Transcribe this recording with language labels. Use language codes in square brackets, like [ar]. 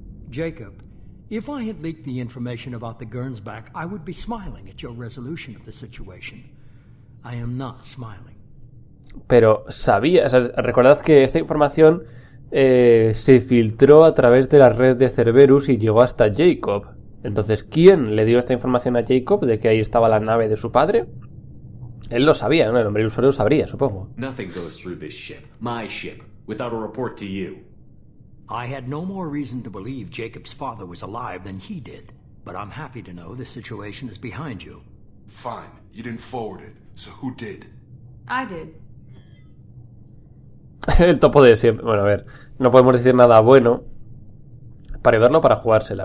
[en] Jacob, if I had leaked the information about the Gurns back, I would be smiling at your resolution of the situation. I am not smiling. [es] Pero sabía, o sea, recordad que esta información se filtró a través de la red de Cerberus y llegó hasta Jacob. Entonces, ¿quién le dio esta información a Jacob de que ahí estaba la nave de su padre? Él lo sabía, ¿no? El hombre ilusorio lo sabría, supongo. [en] Nothing goes through this ship, my ship, without a report to you. I had no more reason to believe Jacob's father was alive than he did, but I'm happy to know the situation is behind you. Fine, you didn't forward it, so who did? I did. [es] El topo de siempre. Bueno, a ver, no podemos decir nada bueno para verlo, para jugársela.